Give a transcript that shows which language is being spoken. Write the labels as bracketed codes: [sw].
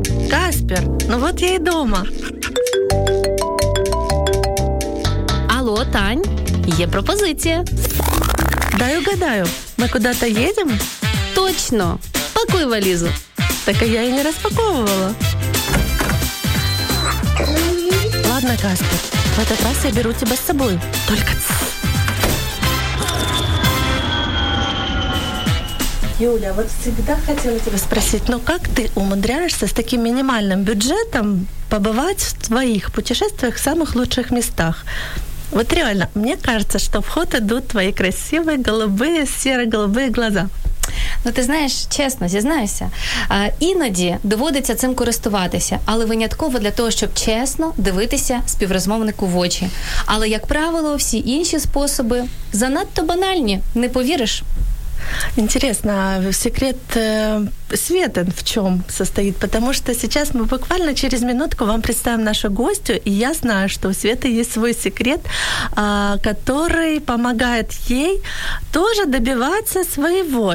[uk] Каспер, ну от я і дома. Алло, Тань, є пропозиція. Дай угадаю, ми куда-то їдемо? Точно, пакуй валізу. Так я і не розпаковувала. [ru] Ладно, Каспер, в этот раз я беру тебя с собой. Только... Юля, вот всегда хотела тебя спросить, но как ты умудряешься с таким минимальным бюджетом побывать в твоих путешествиях в самых лучших местах? Вот реально, мне кажется, что в ход идут твои красивые голубые, серо-голубые глаза. [uk] Ну, ти знаєш, чесно, зізнаюся, іноді доводиться цим користуватися, але винятково для того, щоб чесно дивитися співрозмовнику в очі. Але, як правило, всі інші способи занадто банальні, не повіриш? [ru] Интересно, а секрет Светы в чем состоит? Потому что сейчас мы буквально через минутку вам представим нашу гостью, и я знаю, что у Светы есть свой секрет, который помогает ей тоже добиваться своего